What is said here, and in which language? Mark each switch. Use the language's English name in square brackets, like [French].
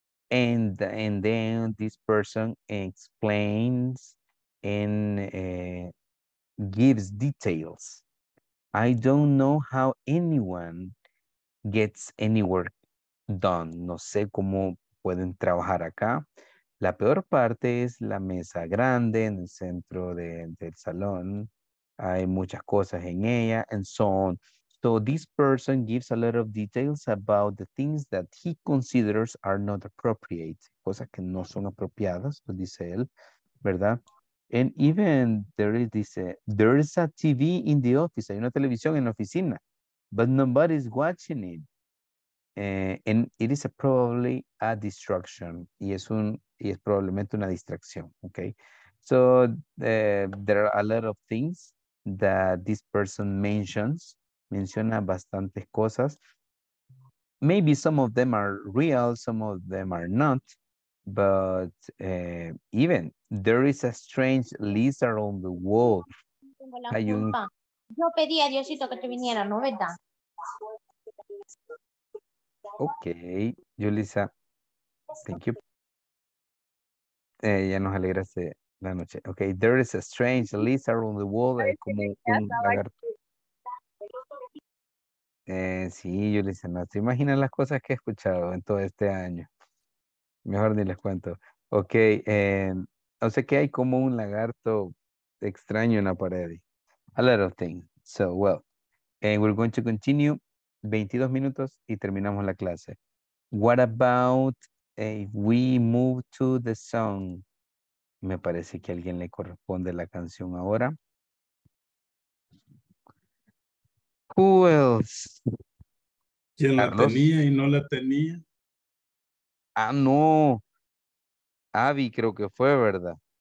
[English] And then this person explains and gives details. I don't know how anyone gets any work done. [Spanish] No sé cómo pueden trabajar acá. La peor parte es la mesa grande en el centro del salón. Hay muchas cosas en ella [English] and so on. So this person gives a lot of details about the things that he considers are not appropriate. [Spanish] Cosas que no son apropiadas, lo dice él, ¿verdad? [English] And even there is a TV in the office. [Spanish] Hay una televisión en la oficina, [English] but nobody is watching it. And it is probably a distraction. [Spanish] Y es probablemente una distracción, okay? [English] So there are a lot of things that this person mentions. [Spanish] Menciona bastantes cosas. [English] Maybe some of them are real, some of them are not. But even there is a strange lizard on the wall. [Spanish] Tengo la culpa. Hay un... Yo pedí a Diosito que te viniera, ¿no, verdad? Okay, Yulisa. [English] Thank you. [Spanish] Ya nos alegraste la noche. [English] Okay, there is a strange lizard on the wall. [Spanish] Hay como un lagarto. Sí, Yulisa, no te imaginas las cosas que he escuchado en todo este año. Mejor ni les cuento. Ok, o sea que hay como un lagarto extraño en la pared. [English] A lot of things. So, well, we're going to continue. [Spanish] 22 minutos y terminamos la clase. [English] What about if we move to the song? [Spanish] Me parece que a alguien le corresponde la canción ahora. [English] Who else? [Spanish] ¿Quién Carlos? La tenía y no la tenía. Ah, no. Abby creo que fue, ¿verdad?